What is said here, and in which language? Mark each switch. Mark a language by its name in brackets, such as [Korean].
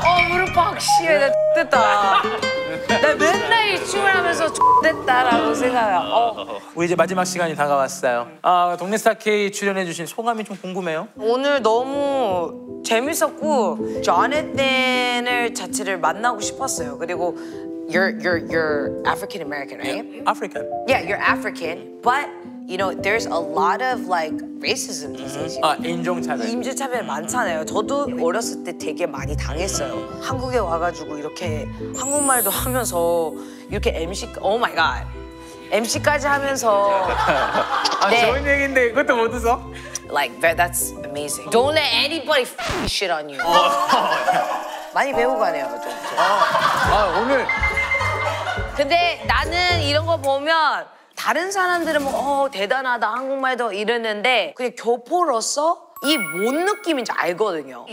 [Korean] 무릎 박시해, 나 됐다. 나 맨날 이 춤을 하면서 X됐다라고 생각해요. 우리 이제 마지막 시간이 다가왔어요. 동네스타 K 출연해주신 소감이 좀 궁금해요. 오늘 너무 재밌었고 조나단을 자체를 만나고 싶었어요. [English] 그리고 you're African American, right? Yeah, African. Yeah, you're African, but you know there's a lot of like racism these days. [Korean] 아 인종차별. 인종차별 많잖아요. 저도 어렸을 때 되게 많이 당했어요. 한국에 와가지고 이렇게 한국말도 하면서 이렇게 MC, [English] oh my god, [Korean] MC까지 하면서. 아 네. 좋은 얘기인데 그것도 못 웃어? [English] Like that's amazing. Don't let anybody f***ing shit on you. [Korean] 많이 배우고 가네요. 아 오늘. 근데 나는 이런 거 보면 다른 사람들은 뭐 대단하다 한국말도 이러는데 그냥 교포로서 이 뭔 느낌인지 알거든요.